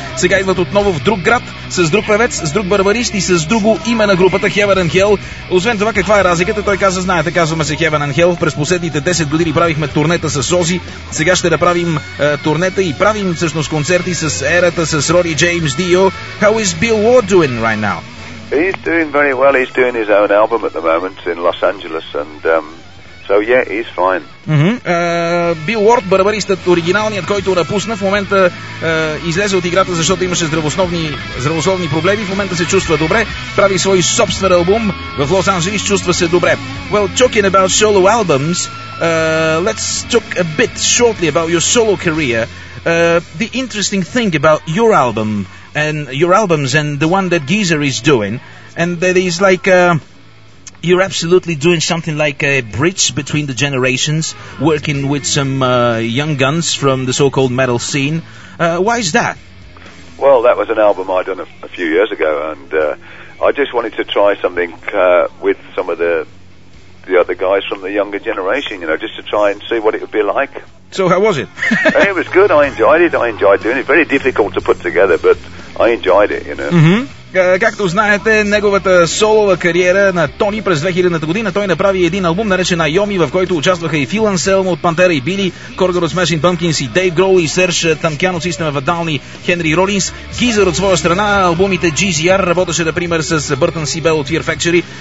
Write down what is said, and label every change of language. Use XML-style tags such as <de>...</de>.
<bg>Сега идват отново в друг град, с друг певец, с друг барбарист и с друго име на групата Heaven and Hell. Освен това, каква е разликата? Той каза, знаете, казваме се Heaven and Hell. През последните 10 години правихме турнета с Ozzy. Сега ще направим турнета и правим всъщност концерти с Ерата, с Роди Джеймс, Дио.</bg> <en>How is Bill Ward doing right now? He's doing very well. He's doing his own album at the moment in Los Angeles, and so yeah, he's fine.</en> <bg>Бил Уорд, барабаристът оригиналният, който напусна, в момента излезе от играта, защото имаше здравословни проблеми. В момента се чувства добре, прави свой собствен албум в Лос Анджелис, чувства се добре.</bg> <en>Well, talking about solo albums, let's talk a bit shortly about your solo career. The interesting thing about your album and your albums and the one that Geezer is doing, and that is like you're absolutely doing something like a bridge between the generations, working with some young guns from the so-called metal scene. Why is that? Well, that was an album I'd done a few years ago, and I just wanted to try something with some of the other guys from the younger generation, you know, just to try and see what it would be like. So how was it? It was good. I enjoyed it. I enjoyed doing it. Very difficult to put together, but I enjoyed it, you know.</en> <bg>Както знаете, неговата солова кариера на Тони през 2000-та година, той направи един албум, наречен Айоми, в който участваха и Фил Анселмо от Пантера и Били, Коргър от Смешин Пъмкинс и Дейв Гроул и Серж Танкян от Систем в Адални, Хенри Ролинс. Гизър от своя страна, албумите GZR, работеше, например, с Бъртън Сибел от Fear Factory.</bg>